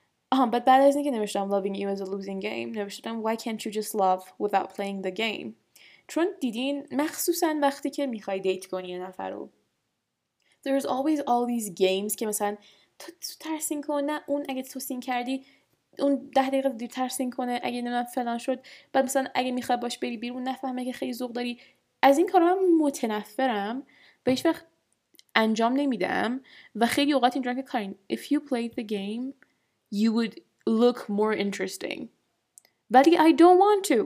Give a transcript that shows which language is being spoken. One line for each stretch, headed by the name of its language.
Persian: آها بعد از اینکه نوشتم
English: Loving you is a losing game.
Persian: نوشتم
English: Why can't you just love without playing the game?
Persian: چون دیدین مخصوصا وقتی که میخوای دیت کنی یه نفر رو
English: there's always all these games
Persian: که مثلا تو ترسین کن نه اون اگه تو سین کردی اون 10 دقیقه دیر ترسین کنه اگه نمیدونم فلان شد بعد مثلا اگه میخوای باش بری بیرون نفهمه که خیلی ذوق داری از این کارا هم متنفرم و هیچ وقت انجام نمیدم و خیلی اوقات اینجوری که کارین
English: if you played the game you would look more interesting But I don't want to.